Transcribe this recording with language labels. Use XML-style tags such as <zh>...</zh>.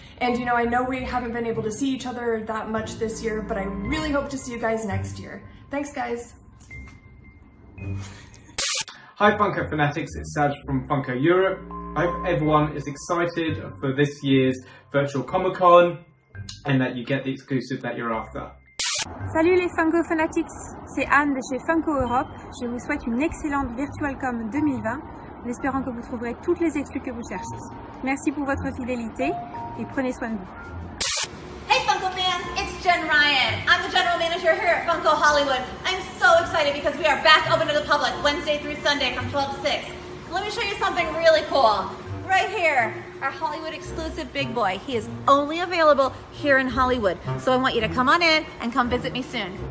<en>And you know, I know we haven't been able to see each other that much this year, but I really hope to see you guys next year. Thanks guys. Hi Funko Fanatics, it's Saj from Funko Europe. I hope everyone is excited for this year's Virtual Comic Con and that you get the exclusive that you're after.</en> <fr>Salut les Funko Fanatics, c'est Anne de chez Funko Europe. Je vous souhaite une excellente Virtual Com 2020 en espérant que vous trouverez toutes les exclus que vous cherchez. Merci pour votre fidélité et prenez soin de vous.</fr> <en>Jen Ryan. I'm the general manager here at Funko Hollywood. I'm so excited because we are back open to the public Wednesday through Sunday from 12 to 6. Let me show you something really cool. Right here, our Hollywood exclusive big boy. He is only available here in Hollywood. So I want you to come on in and come visit me soon.</en>